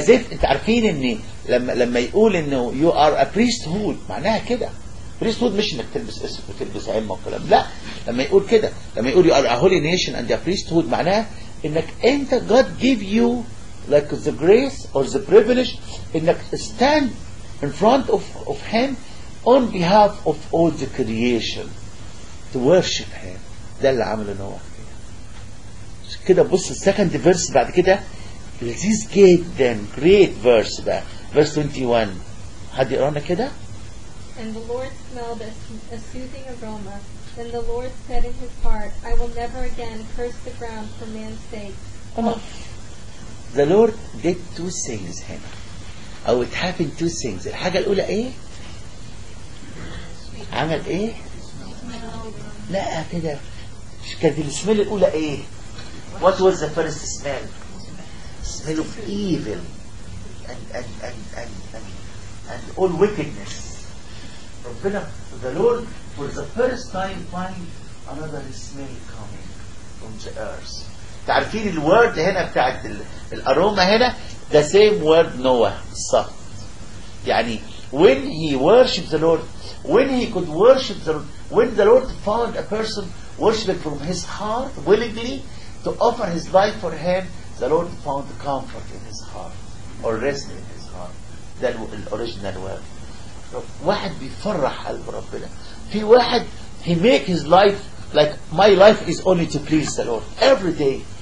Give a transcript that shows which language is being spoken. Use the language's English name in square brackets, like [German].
[English] As if [Arabic] انت عارفين ان لما يقول انه [English] you are a priesthood [Arabic] معناها كده priesthood مش انك تلبس اسم وتلبس عمة وكلام. لا لما يقول كده لما يقول [English] you are a holy nation and a priesthood [Arabic] معناها انك انت [English] God give you like the grace or the privilege [Arabic] انك [English] stand in front of him on behalf of all the creation to worship him. [Arabic] ده اللي عمله نوح كده. بص [English] السكند فيرس [Arabic] بعد كده [English] this gave them great verse ده verse 21 [Arabic] حد يقرانا كده. [English] And the Lord smelled a soothing aroma. Then the Lord said in his heart, I will never again curse the ground for man's sake. The Lord did two things [Arabic] هنا. [English] Oh, it happened two things. [Arabic] الحاجة الأولى إيه؟ عمل إيه؟ لا كده. كده السمل الأولى إيه؟ [English] What was the first smell? Smell of evil and all wickedness. [Arabic] ربنا [English] the Lord for the first time find another smell coming from the earth. [Arabic] تعرفين [English] الورد [Arabic] هنا بتاعت [English] الأروما هنا the same word Noah saw. يعني when he worshipped the Lord, when he could worship the Lord, when the Lord found a person worshiping from his heart willingly to offer his life for him, the Lord found comfort in his heart or rest in his heart. That was the original word. [Arabic] واحد بيفرح قلب ربنا في واحد [English] he make his life like my life is only to please the Lord every day.